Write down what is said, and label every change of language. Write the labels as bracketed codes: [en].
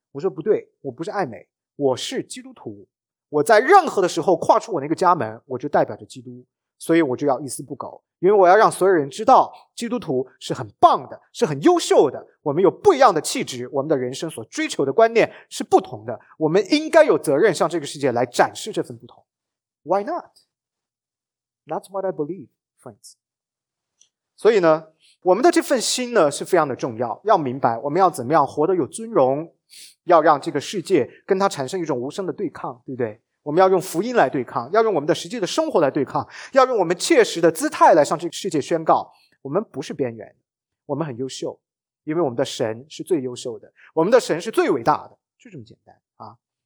[zh] 我说不对，我不是爱美，我是基督徒，我在任何的时候跨出我那个家门，我就代表着基督，所以我就要一丝不苟，因为我要让所有人知道基督徒是很棒的，是很优秀的，我们有不一样的气质，我们的人生所追求的观念是不同的，我们应该有责任向这个世界来展示这份不同。 [en] Why not? That's what I believe, friends. [zh] 所以呢，我们的这份心呢是非常的重要，要明白我们要怎么样活得有尊荣，要让这个世界跟它产生一种无声的对抗，对不对？我们要用福音来对抗，要用我们的实际的生活来对抗，要用我们切实的姿态来向这个世界宣告，我们不是边缘，我们很优秀，因为我们的神是最优秀的，我们的神是最伟大的，就这么简单啊。